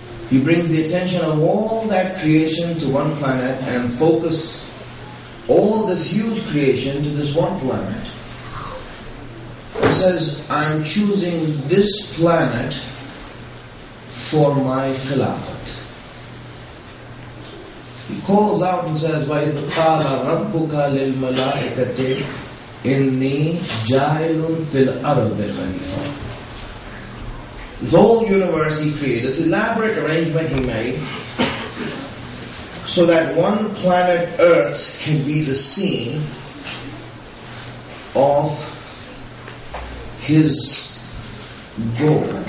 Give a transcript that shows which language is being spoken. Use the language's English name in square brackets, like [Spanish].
[English] He brings the attention of all that creation to one planet and focuses all this huge creation to this one planet. He says, I'm choosing this planet for my khilafat. He calls out and says, [Arabic] وَإِذْ قَالَ رَبُّكَ لِلْمَلَائِكَةِ إِنِّي جَاهِلٌ فِي الْأَرْضِ خَلِيفَةٌ. [English] This whole universe he created, this elaborate arrangement he made, so that one planet Earth can be the scene of his goal.